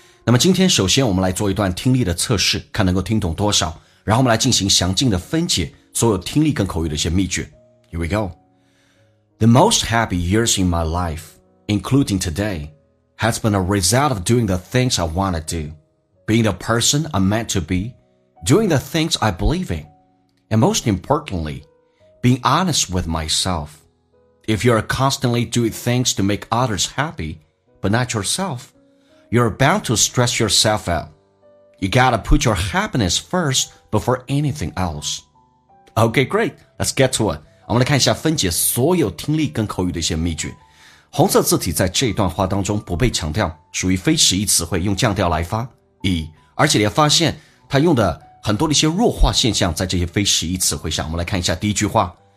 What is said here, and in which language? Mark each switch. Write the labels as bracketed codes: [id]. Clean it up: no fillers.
[zh] 那么今天首先我们来做一段听力的测试，看能够听懂多少，然后我们来进行详尽的分解所有听力跟口语的一些秘诀。 [en] Here we go. The most happy years in my life, including today, has been a result of doing the things I want to do, being the person I'm meant to be, doing the things I believe in, and most importantlyBeing honest with myself. If you are constantly doing things to make others happy, but not yourself, you are bound to stress yourself out. You gotta put your happiness first before anything else. Okay, great. Let's get to it. [zh] 我们来看一下分解所有听力跟口语的一些秘诀。红色字体在这一段话当中不被强调，属于非实义词汇，用降调来发。 E， 而且你要发现它用的很多的一些弱化现象在这些非实义词汇上。我们来看一下第一句话，